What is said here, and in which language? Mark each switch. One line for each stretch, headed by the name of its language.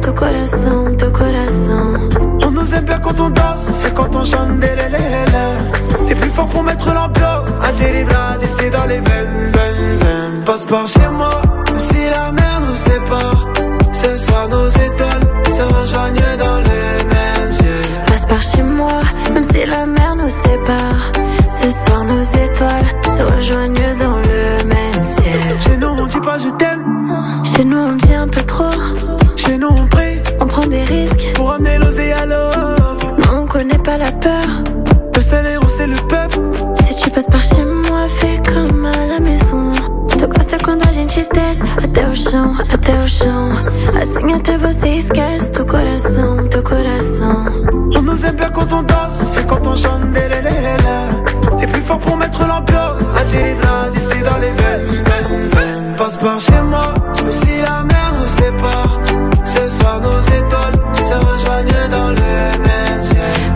Portuguese: Teu coração, teu coração.
French: On nous aime bien quand on danse. Et quand on chante des lélélé. Et plus fort pour mettre l'ambiance. Algérie, Brasil, c'est dans les veines, veines, veines. Passe par chez moi, même si la mer nous sépare. Ce soir nos étoiles se rejoignent dans le même ciel. Passe par chez moi, même si la mer nous sépare. Ce soir nos étoiles se rejoignent dans le même ciel. Chez nous on dit pas je t'aime. Chez nous on dit un peu trop. Chez nous on prie. On prend des risques. Pour amener l'oseille à l'aube. Non on connaît pas la peur. Le seul héros c'est le peuple. Si tu passes par chez moi fais comme à la maison.
Portuguese: Quando a gente desce até o chão, até o chão. Assim até você esquece teu coração, teu coração.
French: On nous aime bien quand on danse. Et quand on chante des lélélé. Et plus fort pour mettre l'ambiance. Algérie, Brasil, c'est dans les veines, veines, veines. Passe par chez moi, même si la mer nous sépare. Ce soir nos étoiles se rejoignent dans le même ciel.